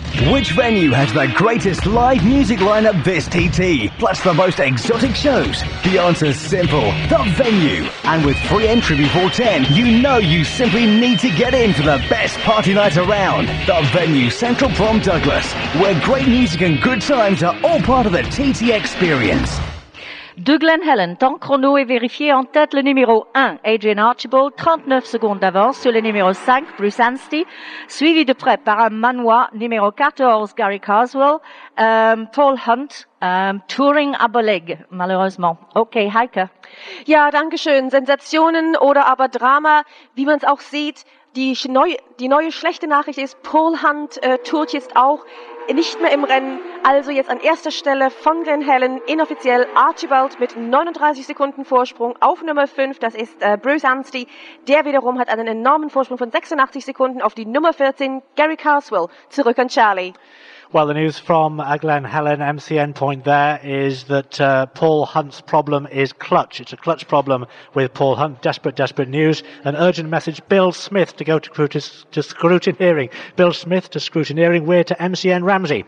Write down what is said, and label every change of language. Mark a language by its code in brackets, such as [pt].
[en] Which venue has the greatest live music lineup this TT, plus the most exotic shows? The answer's simple, the venue. And with free entry before 10, you know you simply need to get in for the best party night around. The venue, Central Prom Douglas, where great music and good times are all part of the TT experience. [fr] De Glen Helen, temps chrono est vérifié en tête, le numéro 1, Adrian Archibald, 39 secondes d'avance sur le numéro 5, Bruce Anstey, suivi de près par un Manois, numéro 14, Gary Carswell, Paul Hunt, Touring Aboleg, malheureusement. [en] Okay, Heike. [de] Ja, danke schön. Sensationen oder aber Drama, wie man es auch sieht. Die neue schlechte Nachricht ist, Paul Hunt tourt jetzt auch nicht mehr im Rennen. Also jetzt an erster Stelle von Glen Helen inoffiziell Archibald mit 39 Sekunden Vorsprung auf Nummer 5. Das ist Bruce Anstey. Der wiederum hat einen enormen Vorsprung von 86 Sekunden auf die Nummer 14, Gary Carswell. Zurück an Charlie. [en] Well, the news from Glen Helen MCN point there is that Paul Hunt's problem is clutch. It's a clutch problem with Paul Hunt. Desperate, desperate news. An urgent message. Bill Smith to go to scrutineering. Bill Smith to scrutineering. We're to MCN Ramsey.